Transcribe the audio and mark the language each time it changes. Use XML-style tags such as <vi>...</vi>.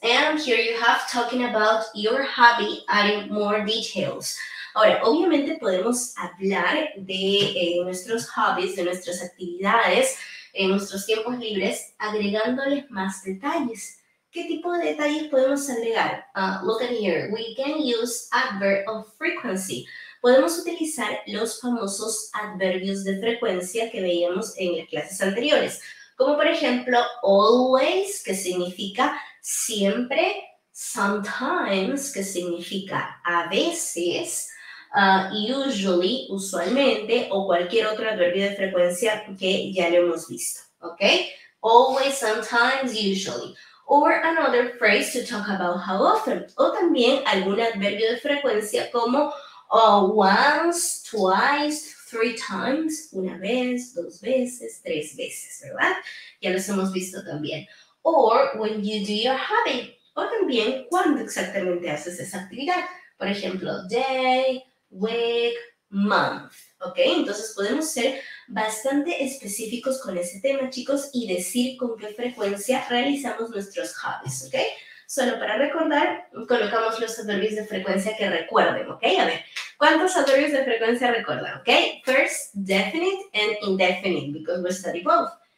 <en>And here you have talking about your hobby, adding more details.</en> <es>Ahora, obviamente podemos hablar de nuestros hobbies, de nuestras actividades, en nuestros tiempos libres, agregándoles más detalles. ¿Qué tipo de detalles podemos agregar?</es> <en>Look at here. We can use adverb of frequency.</en> <es>Podemos utilizar los famosos adverbios de frecuencia que veíamos en las clases anteriores. Como por ejemplo, always, que significa siempre, sometimes, que significa a veces, usually, usualmente, o cualquier otro adverbio de frecuencia que ya lo hemos visto.</es> <en>¿Ok? Always, sometimes, usually. Or another phrase to talk about how often.</en> <es>O también algún adverbio de frecuencia como once, twice, three times. Una vez, dos veces, tres veces, ¿verdad? Ya los hemos visto también.</es> <en>Or when you do your hobby.</en> <es>O también cuando exactamente haces esa actividad. Por ejemplo, day, week, month. ¿Ok? Entonces podemos ser bastante específicos con ese tema, chicos, y decir con qué frecuencia realizamos nuestros hobbies, ¿ok? Solo para recordar, colocamos los adverbios de frecuencia que recuerden, ¿ok? A ver, ¿cuántos adverbios de frecuencia recuerdan, ok?</es> <en>First, definite and indefinite, because we study both.</en>